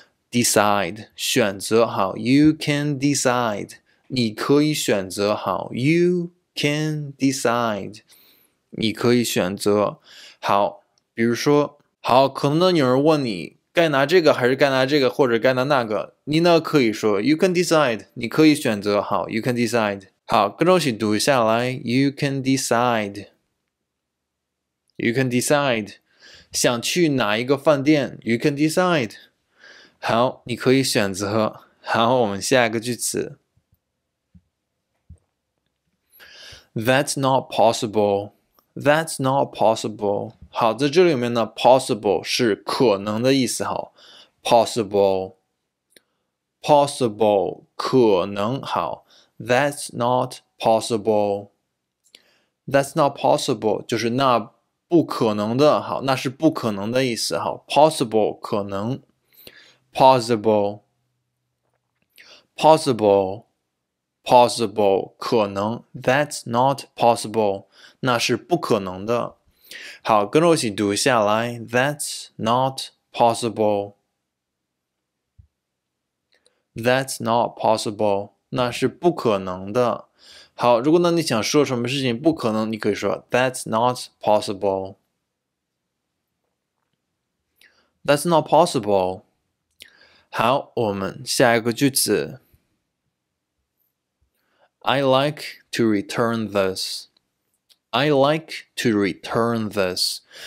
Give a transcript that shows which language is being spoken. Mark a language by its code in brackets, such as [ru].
[zh] Decide, 选择。好 , [en] you can decide, [zh] 你可以选择。好 , [en] you can decide, [zh] 你可以选择。好，比如说，好，可能呢有人问你该拿这个还是该拿这个或者该拿那个，你呢可以说 , [en] you can decide, [zh] 你可以选择。 [en] 好 ,you can decide。 [zh] 好，跟着我一起读下来 , [en] you can decide, you can decide, [zh] 想去哪一个饭店 , [en] you can decide。 [zh] 好，你可以选择。好，我们下一个句子。 [en] That's not possible. That's not possible. [zh] 好，在这里面呢 ，possible 是可能的意思。好 ，possible, possible 可能。 [en] 好 ，That's not possible. That's not possible [zh] 就是那不可能的。好，那是不可能的意思。好 ，possible 可能。Possible, possible, possible, 可能。 [en] That's not possible, [zh] 那是不可能的。好，跟着我一起读下来。 [en] That's not possible, that's not possible, [zh] 那是不可能的。好，如果呢你想说什么事情不可能，你可以说 [en] That's not possible, that's not possible. [zh] 好，我们下一个句子。 [en] I like to return this. I like to return this.